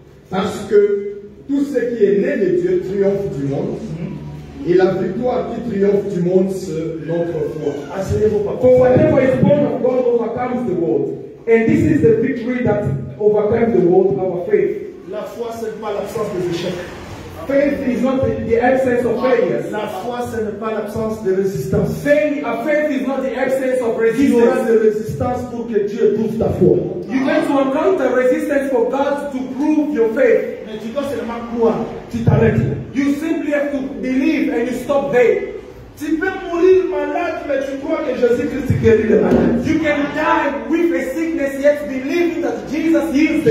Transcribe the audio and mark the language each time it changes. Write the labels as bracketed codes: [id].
[fr] Parce que tout ce qui est né de Dieu triomphe du monde, et la victoire qui triomphe du monde, c'est notre foi. Asseyez-vous, papa. [en] For whatever is born of God overcomes the world. And this is the victory that overcomes the world, our faith. [fr] La foi, c'est pas l'absence des échecs. [en] Faith is not the absence of failure. [fr] La foi, ce n'est pas l'absence de résistance. [en] Faith is not the absence of resistance. [fr] Tu auras de résistance pour que Dieu prouve ta foi. [en] You have to encounter resistance for God to prove your faith. [fr] Mais tu dois seulement croire. Tu t'arrêtes. [en] You simply have to believe and you stop there. [fr] Tu peux mourir malade, mais tu crois que Jésus-Christ guérit les malades. [en] You can die with a sickness, yet believing that Jesus heals the